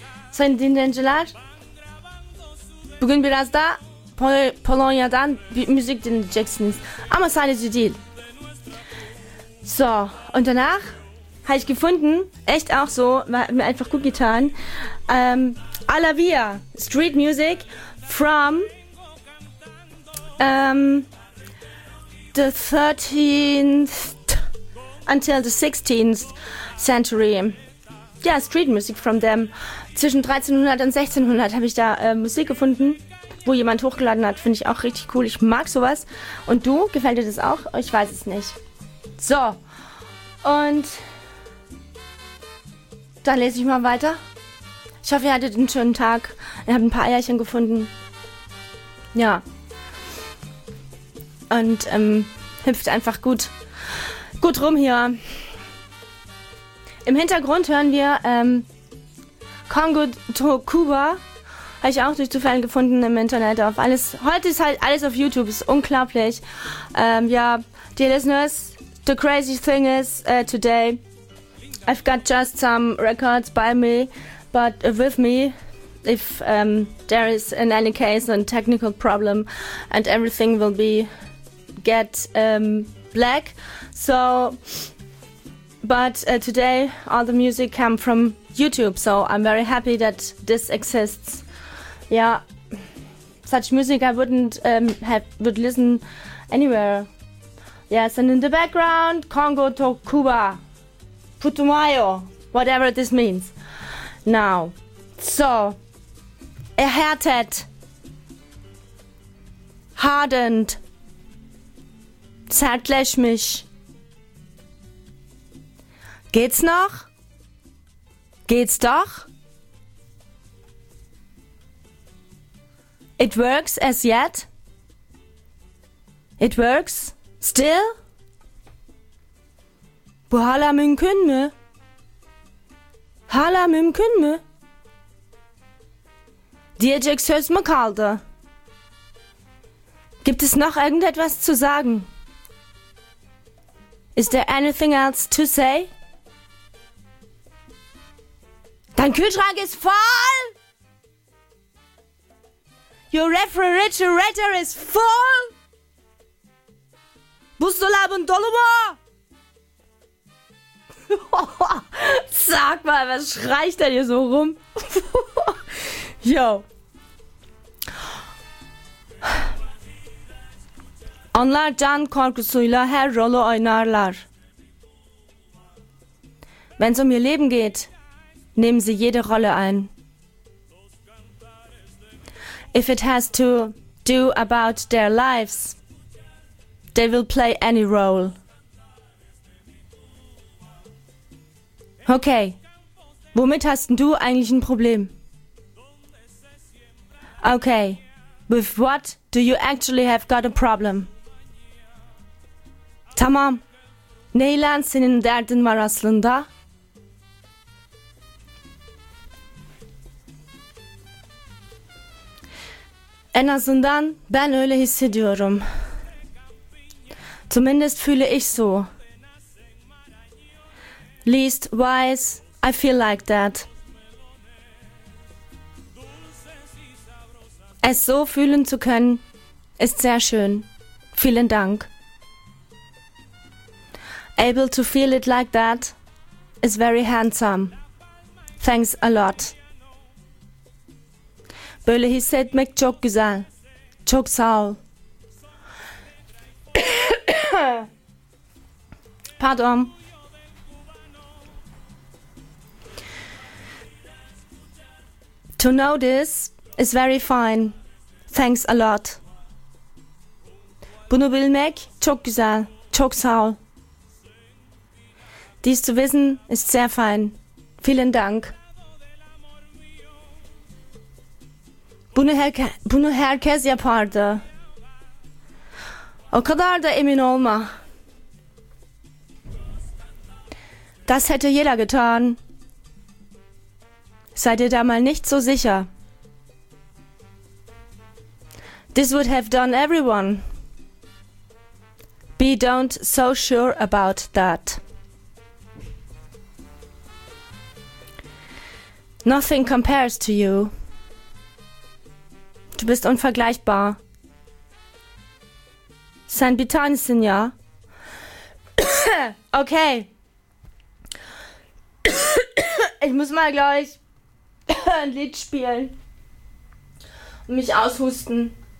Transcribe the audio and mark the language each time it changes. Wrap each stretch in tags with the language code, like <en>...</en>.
<de>So in den Angelat</de> <tr>bugün biraz da Polonia'dan bir müzik dinleyeceksiniz. Ama sadece değil.</tr> <de>So, und danach habe ich gefunden, echt auch so, hat mir einfach gut getan, A La Via,</de> <en>Street Music from the 13th until the 16th century. Ja, Street Music from them.</en> <de>Zwischen 1300 und 1600 habe ich da Musik gefunden, wo jemand hochgeladen hat, finde ich auch richtig cool. Ich mag sowas. Und du? Gefällt dir das auch? Ich weiß es nicht. So. Und dann lese ich mal weiter. Ich hoffe, ihr hattet einen schönen Tag. Ihr habt ein paar Eierchen gefunden. Ja. Und hüpft einfach gut rum hier. Im Hintergrund hören wir Congo to Cuba. Habe ich auch durch Zufall gefunden im Internet auf alles. Heute ist halt alles auf YouTube, ist unglaublich.</de> <en>Ja, dear listeners, the crazy thing is today I've got just some records by me, but with me, if there is in any case a technical problem and everything will be get black. So, but today all the music came from YouTube, so I'm very happy that this exists. Yeah, such music I wouldn't would listen anywhere. Yes, and in the background, Congo to Cuba, Putumayo, whatever this means.</en> <de>Now, so, erhärtet, hardened, zärtlich mich. Geht's noch? Geht's doch?</de> <en>It works as yet? It works still?</en> <tr>Bu hala mümkün mü? Hala mümkün mü? Diyecek söz mü kaldı?</tr> <de>Gibt es noch irgendetwas zu sagen?</de> <en>Is there anything else to say?</en> <de>Dein Kühlschrank ist voll!</de> <en>Your refrigerator is full.</en> <tr>Buzdolabın dolu mu?</tr> <de>Sag mal, was schreit da hier so rum? Yo.</de> <tr>Onlar can korkusuyla her rolü oynarlar.</tr> <de>Wenn es um ihr Leben geht, nehmen sie jede Rolle ein.</de> <en>If it has to do about their lives, they will play any role.</en> <de>Okay, womit hast du eigentlich ein Problem?</de> <en>Okay, with what do you actually have got a problem?</en> <tr>Tamam, neyle senin derdin var aslında? En azından ben öyle hissediyorum.</tr> <de>Zumindest fühle ich so.</de> <en>Leastwise, I feel like that.</en> <de>Es so fühlen zu können, ist sehr schön. Vielen Dank.</de> <en>Able to feel it like that is very handsome. Thanks a lot.</en> <tr>Böyle hissetmek çok güzel. Çok sağ ol. Pardon.</tr> <en>To know this is very fine. Thanks a lot.</en> <tr>Bunu bilmek çok güzel. Çok sağ ol.</tr> <de>Dies zu wissen ist sehr fein. Vielen Dank.</de> <tr>Bunu herkes yapardı. O kadar da emin olma.</tr> <de>Das hätte jeder getan. Sei dir da mal nicht so sicher.</de> <en>This would have done everyone. Be don't so sure about that. Nothing compares to you.</en> <de>Du bist unvergleichbar. Sein Bitanzen, ja. Okay. Ich muss mal gleich ein Lied spielen und mich aushusten.</de>